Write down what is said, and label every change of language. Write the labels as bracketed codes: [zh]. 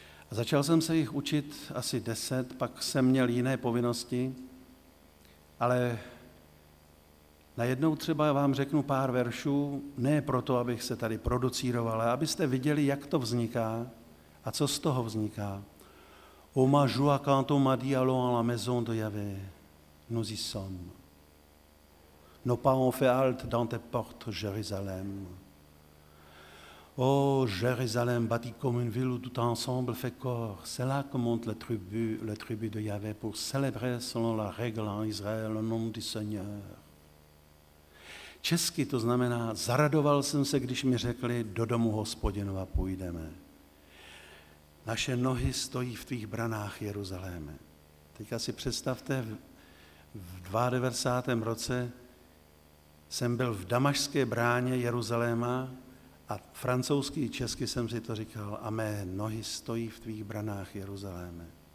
[cs] A začal jsem se jich učit asi 10, pak jsem měl jiné povinnosti, ale najednou třeba vám řeknu pár veršů, ne proto, abych se tady producíroval, ale abyste viděli, jak to vzniká a co z toho vzniká. [fr] O ma joie quand on m'a dit allons à la maison de Yahvé, nous y sommes. Nos pas ont fait halte dans tes portes, Jérusalem. Oh, Jérusalem, bâtie comme une ville où tout ensemble fait corps, c'est là que monte le tribut de Yahvé pour célébrer selon la règle en Israël le nom du Seigneur. [cs] Česky to znamená, zaradoval jsem se, když mi řekli, do domu Hospodinova půjdeme. Naše nohy stojí v tvých branách, Jeruzaléme. Teďka si představte, v 92. roce jsem byl v Damašské bráně Jeruzaléma a francouzsky i česky jsem si to říkal, a mé nohy stojí v tvých branách, Jeruzaléme.